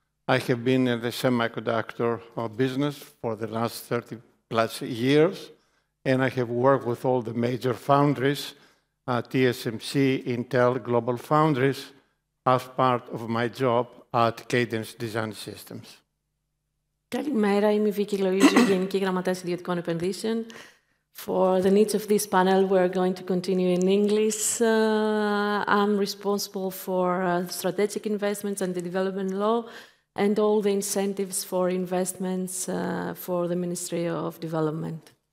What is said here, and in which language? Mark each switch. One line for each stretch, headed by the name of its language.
English: I have been in the semiconductor business for the last 30 plus years, and I have worked with all the major foundries, TSMC, Intel, Global Foundries, as part of my job at Cadence DesignSystems.
Greek: Καλημέρα, είμαι η Vicky Loizou, Γενική Γραμματέας Ιδιωτικών Επενδύσεων.
English: For the needs of this panel, we're going to continue in English. I'm responsible for strategic investments and the development law and all the incentives for investments for the Ministry of Development.